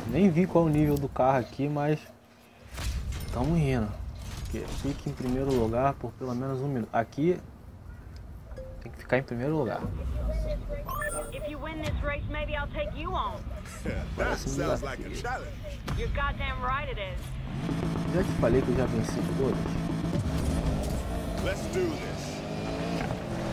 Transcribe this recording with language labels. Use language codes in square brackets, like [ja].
[pt] Nem vi qual é o nível do carro aqui, mas tamo indo. Fique em primeiro lugar por pelo menos 1 minuto. Aqui tem que ficar em primeiro lugar. [en] If you win this race, maybe I'll take you on. That sounds like a challenge. You're goddamn right it is. [pt] Já te falei que eu já venci todos. [en] Let's do this.